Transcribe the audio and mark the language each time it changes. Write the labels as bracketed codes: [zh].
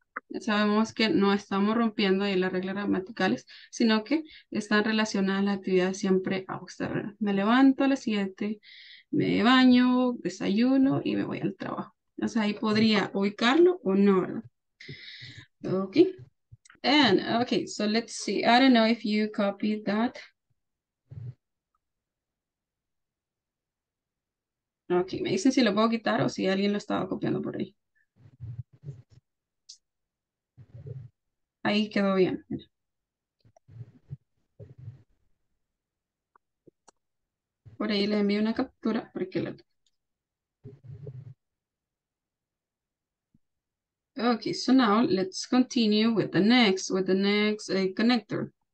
[es] Ya sabemos que no estamos rompiendo ahí las reglas gramaticales, sino que están relacionadas las actividades siempre a usted, ¿verdad? Me levanto a las 7, me baño, desayuno y me voy al trabajo. O sea, ahí podría ubicarlo o no, ¿verdad? Ok. [en] And, okay, so let's see. I don't know if you copied that. [es] Okay, me dicen si lo puedo quitar o si alguien lo estaba copiando por ahí. Ahí quedó bien. Por ahí les envío una captura porque la... [en] Okay, so now let's continue with the next connector.